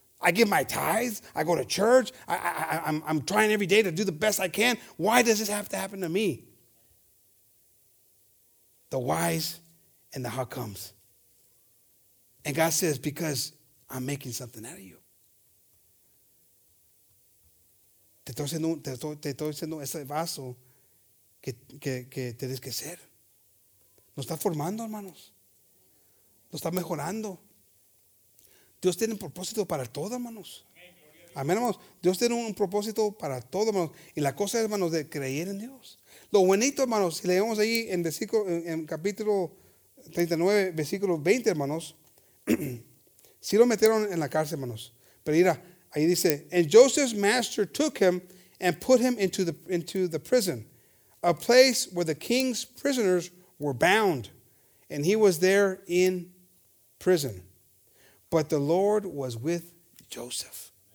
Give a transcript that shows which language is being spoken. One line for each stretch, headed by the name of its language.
English: I give my tithes. I go to church. I'm trying every day to do the best I can. Why does this have to happen to me? The whys and the how comes. And God says, because I'm making something out of you.
Spanish: Te estoy haciendo ese vaso que tienes que ser. Nos está formando, hermanos. Nos está mejorando. Dios tiene un propósito para todo, hermanos. Amén, hermanos. Dios tiene un propósito para todo, hermanos. Y la cosa, hermanos, de creer en Dios. Lo bonito, hermanos, si leemos ahí en capítulo 39, versículo 20, hermanos, sí lo metieron en la cárcel, hermanos. Pero mira, ahí dice,
English: and Joseph's master took him and put him into the prison, a place where the king's prisoners were bound, and he was there in prison. But the Lord was with Joseph.